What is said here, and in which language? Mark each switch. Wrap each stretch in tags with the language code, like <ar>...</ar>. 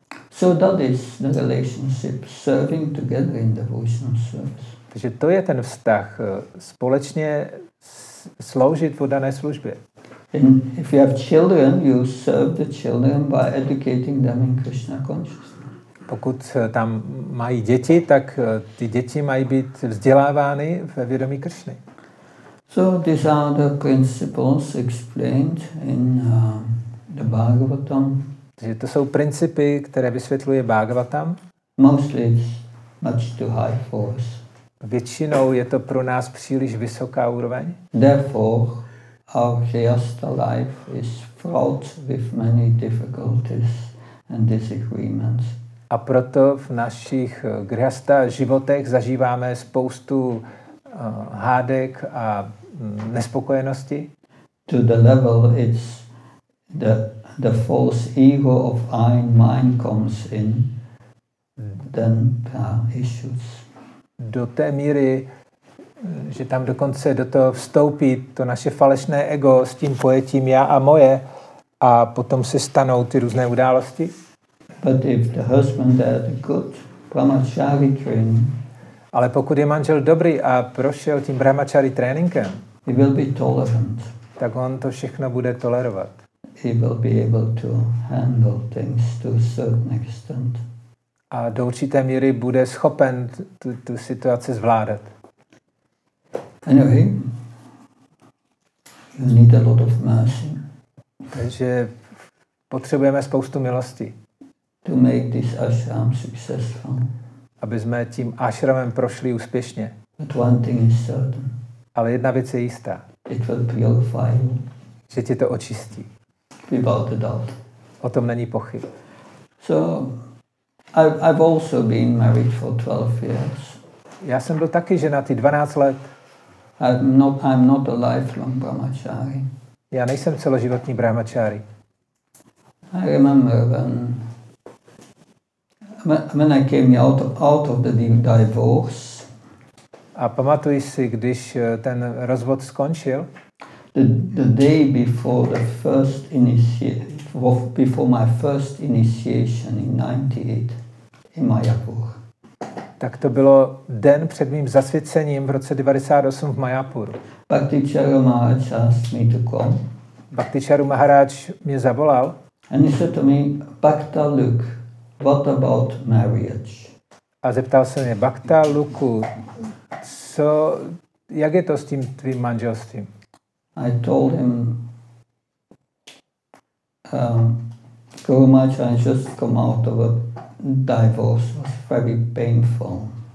<en>So that is the relationship, serving together in devotional service.</en> <cs>Takže to je ten vztah společně sloužit v dané službě.</cs> <en>And if you have children, you serve the children by educating them in Krishna consciousness.</en> <cs>Pokud tam mají děti, tak ty děti mají být vzdělávány ve vědomí Krishny.</cs> <en>So these are the principles explained in the Bhagavatam.</en> <cs>To jsou principy, které vysvětluje Bhagavatam.</cs> <en>Mostly it's much too high for us.</en> <cs>Většinou je to pro nás příliš vysoká úroveň.</cs> <en>Therefore, our Kriyastha life is fraught with many difficulties and disagreements.</en> <cs>A proto v našich Kriyastha životech zažíváme spoustu hádek a nespokojenosti.</cs> <en>To the level it's the false ego of I and mine comes in, then issues.</en> <cs>Do té míry, že tam dokonce do toho vstoupí to naše falešné ego s tím pojetím já a moje a potom se stanou ty různé události.</cs> <en>But if the husband had a good brahmachari training,</en> <cs>ale pokud je manžel dobrý a prošel tím brahmachari tréninkem,</cs> <en>he will be tolerant.</en> <cs>Tak on to všechno bude tolerovat.</cs> <en>He will be able to handle things to a certain extent.</en> <cs>A do určité míry bude schopen tu situaci zvládat.</cs> <en>Anyway, you need a lot of mercy.</en> <cs>Takže potřebujeme spoustu milosti.</cs> <en>To make this ashram successful.</en> <cs>Aby jsme tím ashramem prošli úspěšně.</cs> <en>But one thing is certain.</en> <cs>Ale jedna věc je jistá.</cs> <en>It will purify you.</en> <cs>Že tě to očistí.</cs> <en>Without a doubt.</en> <cs>O tom není pochyb.</cs> <en>So, I've also been married for 12 years.</en> <cs>Já jsem byl taky ženatý 12 let.</cs> <en>I'm not a lifelong brahmachari.</en> <cs>Já nejsem celoživotní brahmachari.</cs> <en>I remember when I came out of the divorce.</en> <cs>A pamatuji si, když ten rozvod skončil.</cs> <en>The day before the first initiation, before my first initiation in 98. In Mayapur.</en> <cs>Tak to bylo den před mým zasvěcením v roce 98 v Mayapuru.</cs> <en>Bhaktičaru Maharaj asked me to come.</en> <cs>Bhaktičaru Maharaj mě zavolal.</cs> <en>And he said to me, Bhakta Luke, what about marriage?</en> <cs>A zeptal se mě, Bhakta Luku, co, jak je to s tím tvým manželstvím?</cs> <en>I told him, Guru Maharaj just come out of a divorce was very painful.</en>